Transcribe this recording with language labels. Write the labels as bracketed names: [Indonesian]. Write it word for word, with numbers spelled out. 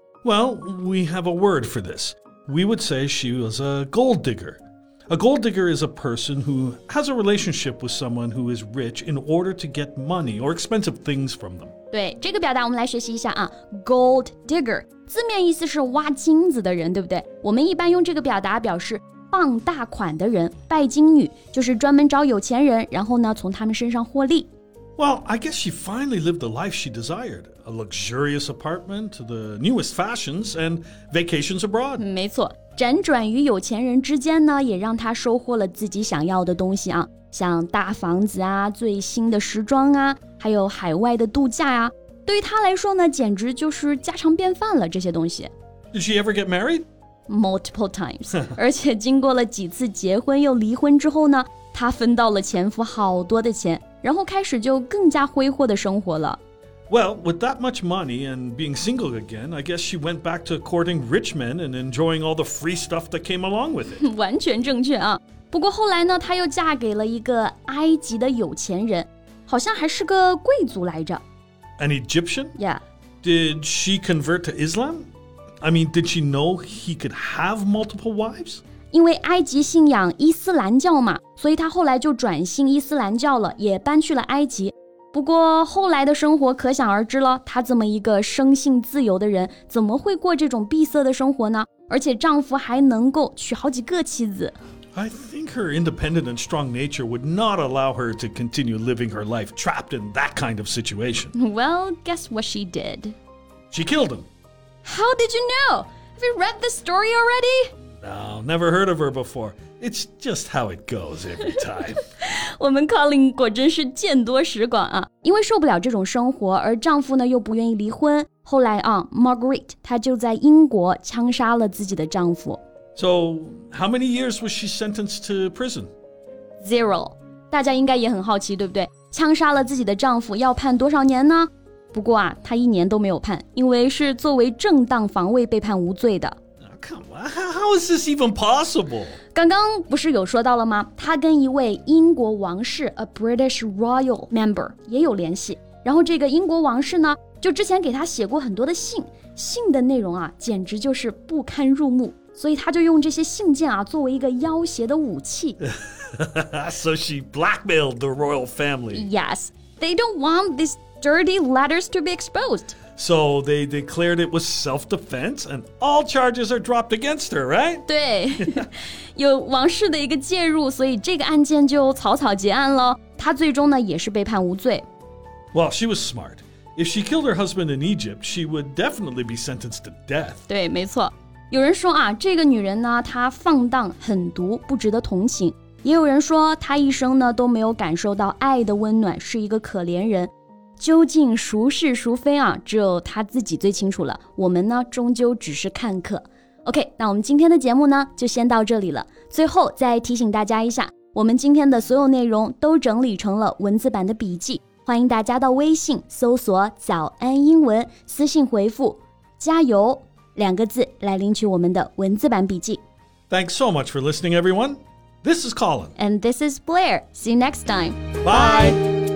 [English] Well, we have a word for this. We would say she was a gold digger. A gold digger is a person who has a relationship with someone who is rich in order to get money or expensive things from them. [Chinese] 对，这个表达我们来学习一下啊 ，gold digger 字面意思是挖金子的人，对不对？我们一般用这个表达表示傍大款的人，拜金女就是专门找有钱人，然后呢从他们身上获利。 [English] Well, I guess she finally lived the life she desired, a luxurious apartment, the newest fashions, and vacations abroad. [Chinese] 没错。辗转于有钱人之间呢，也让他收获了自己想要的东西啊，像大房子啊、最新的时装啊，还有海外的度假啊。对于他来说呢，简直就是家常便饭了这些东西。 [English] Did she ever get married? Multiple times. [Chinese] 而且经过了几次结婚又离婚之后呢，他分到了前夫好多的钱，然后开始就更加挥霍的生活了。 [English] Well, with that much money and being single again, I guess she went back to courting rich men and enjoying all the free stuff that came along with it. [Chinese] 完全正确啊。不过后来呢，她又嫁给了一个埃及的有钱人，好像还是个贵族来着。 [English] An Egyptian? Yeah. Did she convert to Islam? I mean, did she know he could have multiple wives? [Chinese] 因为埃及信仰伊斯兰教嘛，所以她后来就转信伊斯兰教了，也搬去了埃及。不过后来的生活可想而知了，她这么一个生性自由的人，怎么会过这种闭塞的生活呢？而且丈夫还能够娶好几个妻子。 [English] I think her independent and strong nature would not allow her to continue living her life trapped in that kind of situation. Well, guess what she did? She killed him. How did you know? Have you read this story already? No, never heard of her before. It's just how it goes every time. [Chinese] 我们 Colin 果真是见多识广啊，因为受不了这种生活，而丈夫呢又不愿意离婚。后来啊 ，Margaret 她就在英国枪杀了自己的丈夫。 [English] So how many years was she sentenced to prison? [Chinese] Zero. 大家应该也很好奇，对不对？枪杀了自己的丈夫要判多少年呢？不过啊，她一年都没有判，因为是作为正当防卫被判无罪的。 [English] Come on, how is this even possible? [Chinese] 刚刚不是有说到了吗？他跟一位英国王室 [English] a British royal member [Chinese] 也有联系。然后这个英国王室呢，就之前给他写过很多的信，信的内容啊，简直就是不堪入目。所以他就用这些信件啊，作为一个要挟的武器。 [English] So she blackmailed the royal family. Yes, they don't want these dirty letters to be exposed. So they declared it was self-defense, and all charges are dropped against her, right? [Chinese] 对，有王室的一个介入，所以这个案件就草草结案了。她最终呢也是被判无罪。 [English] Well, she was smart. If she killed her husband in Egypt, she would definitely be sentenced to death. [Chinese] 对，没错。有人说啊，这个女人呢，她放荡狠毒，不值得同情。也有人说，她一生呢都没有感受到爱的温暖，是一个可怜人。究竟孰是孰非啊，只有他自己最清楚了，我们呢终究只是看客。 OK， 那我们今天的节目呢就先到这里了。最后再提醒大家一下，我们今天的所有内容都整理成了文字版的笔记，欢迎大家到微信搜索早安英文，私信回复加油两个字来领取我们的文字版笔记。 [English] Thanks so much for listening, everyone. This is Colin. And this is Blair. See you next time. Bye, Bye.